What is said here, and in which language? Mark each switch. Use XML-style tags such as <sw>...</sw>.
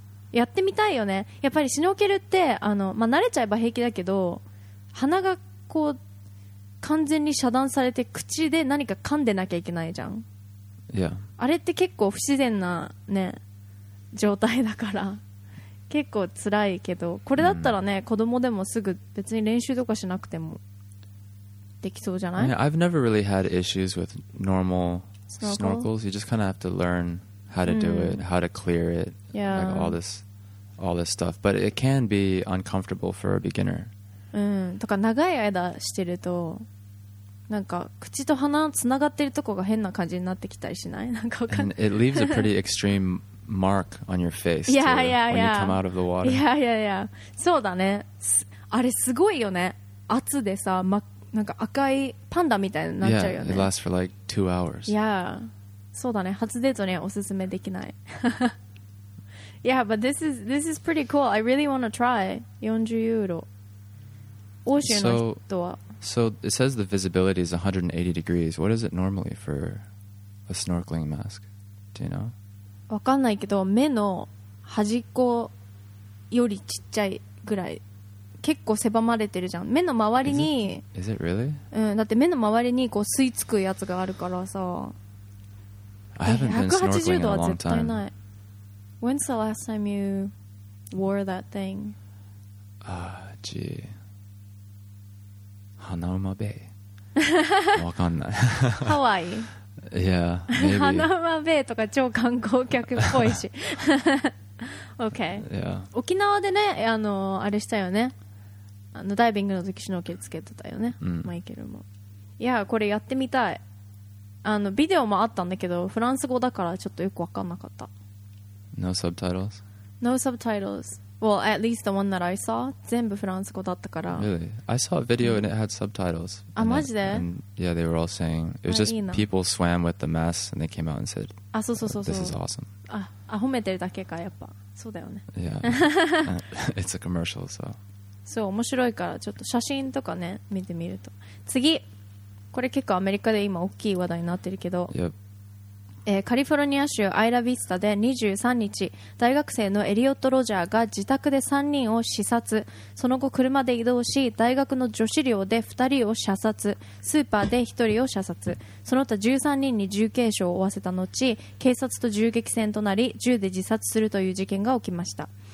<ja>やってみたいよね、やっぱりシュノーケルって。あの、まあ、慣れちゃえば平気だけど、鼻がこう完全に遮断されて口で何か噛んでなきゃいけないじゃん。</ja> <en>Yeah.</en> <ja>あれって結構不自然な、ね、状態だから結構辛いけど、これだったらね、子供でもすぐ別に練習とかしなくてもできそうじゃない？</ja> <en>I mean, I've never really had issues with normal snorkels. You just kind of have to learn how to do it, how to clear it, like all this stuff. But it can be uncomfortable for a beginner.</en> <ja>うん、とか長い間してるとなんか口と鼻つながってるとこが変な感じになってきたりしない？なんかわかんない。</ja> <en>It leaves a pretty extreme mark on your face too, yeah, yeah, yeah. when you come out of the water. Yeah, yeah, yeah.</en> <ja>そうだね。あれすごいよね。圧でさ、ま、なんか赤いパンダみたいになっちゃうよね。</ja> <en>Yeah, it lasts for like 2 hours. Yeah.</en> <ja>そうだね。初デートにはおすすめできない。</ja> <en>Yeah, but this is pretty cool. I really want to try. 40 euro.</en> <ja>欧州の人は。</ja> <en>So it says the visibility is 180 degrees. What is it normally for a snorkeling mask? Do you know?</en> <ja>わかんないけど、目の端っこよりちっちゃいぐらい。結構狭まれてるじゃん。目の周りに。</ja> <en>Is it really?</en> <ja>うん、だって目の周りにこう吸い付くやつがあるからさ。</ja> <en>I haven't been snorkeling in a long time.</en> <ja>180度は絶対ない。</ja> <en>When's the last time you wore that thing? Ah, gee. Hanauma Bay.</en> <ja>わかんない。ハワイ。</ja> <en>Yeah.</en> <ja>Hanauma Bay とか超観光客っぽいし。</ja> <en>Okay. Yeah.</en> <ja>沖縄でね、あの、あれしたよね。あのダイビングの時シュノーケルつけてたよね。うん、マイケルも。いや、これやってみたい。あのビデオもあったんだけど、フランス語だからちょっとよくわかんなかった。</ja> <en>No subtitles? No subtitles. Well, at least the one that I saw,</en> <ja>全部フランス語だったから。</ja> <en>Really? I saw a video and it had subtitles.</en> <ja>あ、マジで？</ja> <en>Yeah, they were all saying, it was just people swam with the masks and they came out and said, this is awesome.</en> <ja>あ、褒めてるだけか、やっぱ。そうだよね。</ja> <en>Yeah. It's a commercial, so.</en> <ja>そう、面白いから、ちょっと写真とかね、見てみると。次、これ結構アメリカで今大きい話題になってるけど、</ja> <en>yep.</en> <ja>カリフォルニア州アイラビスタで23日大学生のエリオット・ロジャーが自宅で3人を刺殺、その後車で移動し大学の女子寮で2人を射殺、スーパーで1人を射殺、その他13人に重軽傷を負わせた後警察と銃撃戦となり銃で自殺するという事件が起きました。</ja>